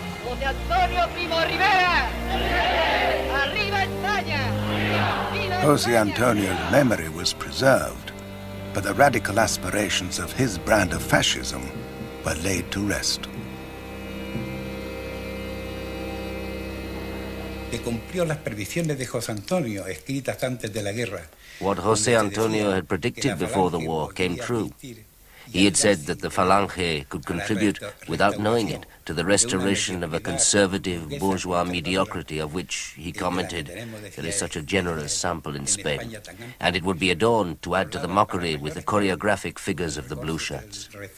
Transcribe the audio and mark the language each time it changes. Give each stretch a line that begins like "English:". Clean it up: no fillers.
Spanish: José Antonio Primo Rivera! Arriba España!
English: José Antonio's memory was preserved, but the radical aspirations of his brand of fascism were laid to rest.
Spanish: que cumplió las predicciones de José Antonio escritas antes de la guerra.
English: What José Antonio had predicted before the war came true. He had said that the Falange could contribute, without knowing it, to the restoration of a conservative bourgeois mediocrity of which, he commented, there is such a generous sample in Spain, and it would be adorned to add to the mockery with the choreographic figures of the blue shirts.